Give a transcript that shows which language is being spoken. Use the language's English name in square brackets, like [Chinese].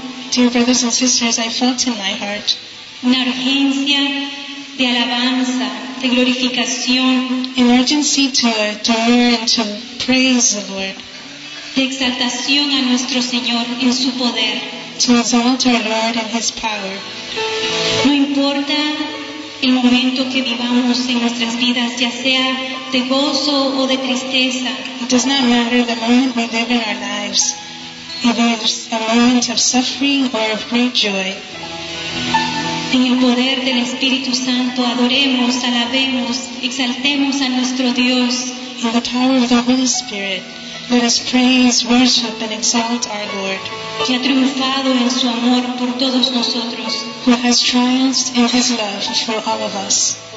[English] Dear brothers and sisters, I felt in my heart [Spanish] una urgencia de alabanza, de glorificación, [English] an urgency to adore and to praise the Lord, [Spanish] de exaltación a nuestro Señor en su poder, [English] to exalt our Lord in His power. [Spanish] No importa el momento que vivamos en nuestras vidas, ya sea de gozo o de tristeza. [English] It does not matter the moment we live in our lives, either it's a moment of suffering or of great joy. [Spanish] En el poder del Espíritu Santo, adoremos, alabemos, exaltemos a nuestro Dios. [English] In the power of the Holy Spirit, let us praise, worship, and exalt our Lord, [Spanish] que ha triunfado en su amor por todos nosotros, [English] who has triumphed in His love for all of us.